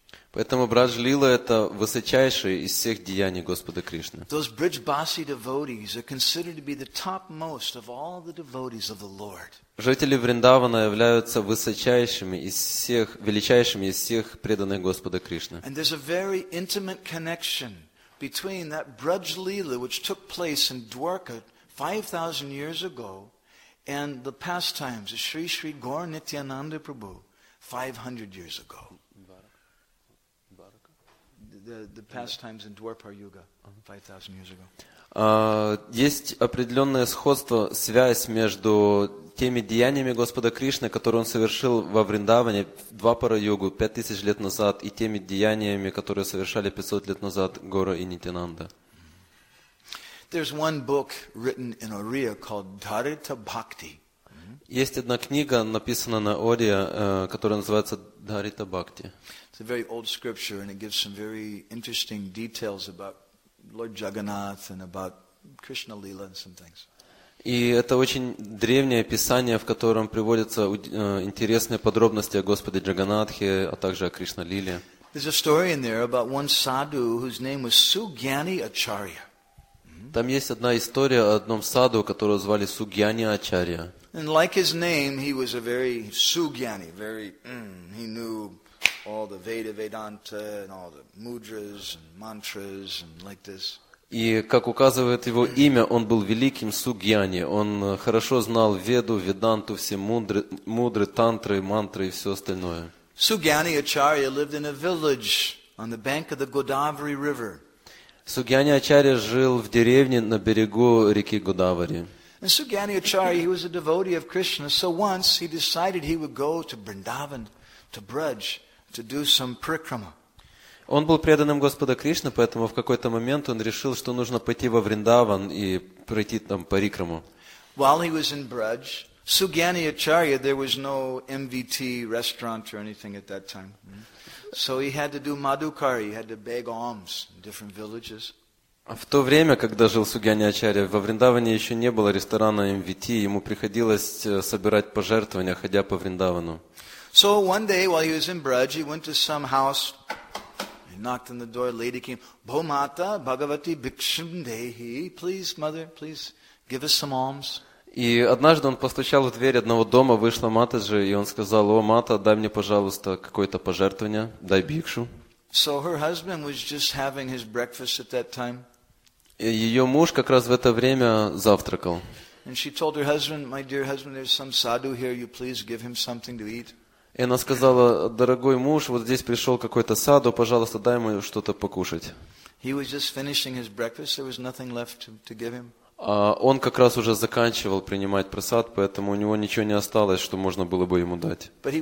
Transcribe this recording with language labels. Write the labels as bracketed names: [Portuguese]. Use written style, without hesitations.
[Russian] Поэтому Брадж Лила — это высочайшее из всех деяний Господа Кришны. [English] Those Bridge Basi devotees are considered to be the topmost of all the devotees of the Lord. [Russian] Жители Вриндавана являются высочайшими из всех, величайшими из всех преданных Господа Кришны. [English] And there's a very intimate connection between that Braj Leela, which took place in Dwarka 5,000 years ago, and the pastimes of Sri Sri Gaur Nityananda Prabhu 500 years ago. The pastimes in Dwarpar Yuga 5,000 years ago. [Russian] Есть определенное сходство, связь между теми деяниями Господа Кришны, которые Он совершил во Вриндаване, Двапара-югу, 5000 лет назад, и теми деяниями, которые совершали 500 лет назад Гора и Нитинанда. [English] There's one book written in Oriya called Dharita Bhakti. [Russian] Есть одна книга, написанная на Ория, которая называется Дарита Бхакти. [English] It's a very old scripture, and it gives some very interesting details about Lord Jagannath and about Krishna Lila and some things. [Russian] И это очень древнее писание, в котором приводятся интересные подробности о Господе Джаганнатхе, а также о Кришна Лиле. [English] There's a story in there about one sadhu whose name was Sugyani Acharya. [Russian] Там есть одна история о одном саду, которого звали Сугьяни Ачарья. [English] And like his name, he was a very Sugyani, very he knew all the Veda Vedanta and all the mudras and mantras and like this. [Russian] И как указывает его имя, он был великим Сугьяни. Он хорошо знал Веду, Веданту, все мудры, тантры, мантры и все остальное. [English] Sugyani Acharya lived in a village on the bank of the Godavari River. [Russian] Сугьяни Ачарья жил в деревне на берегу реки Годавари. [English] And Sugyani Acharya, he was a devotee of Krishna, so once he decided he would go to Vrindavan, to Braj, to do some parikrama. [Russian] Он был преданным Господа Кришны, поэтому в какой-то момент он решил, что нужно пойти во Вриндаван и пройти там парикраму. [English] While he was in Braj, Sugyani Acharya, there was no MVT restaurant or anything at that time. So he had to do Madhukari, he had to beg alms in different villages. [Russian] В то время, когда жил Сугьяни Ачарья, во Вриндаване еще не было ресторана MVT, ему приходилось собирать пожертвования, ходя по Вриндавану. [English] So one day, while he was in Braj, he went to some house, he knocked on the door, lady came, [Sanskrit] Bho Mata Bhagavati Bhikshim Dehi, [English] please, mother, please, give us some alms. [Russian] И однажды он постучал в дверь одного дома, вышла Матаджи, и он сказал: «О, Мата, дай мне, пожалуйста, какое-то пожертвование, дай бхикшу». [English] So her husband was just having his breakfast at that time. [Russian] И ее муж как раз в это время завтракал. [English] And she told her husband, my dear husband, there's some sadhu here, you please give him something to eat. [Russian] И она сказала: «Дорогой муж, вот здесь пришел какой-то саду, пожалуйста, дай ему что-то покушать». [English] He was just finishing his breakfast, there was nothing left to give him. [Russian] А он как раз уже заканчивал принимать просад, поэтому у него ничего не осталось, что можно было бы ему дать.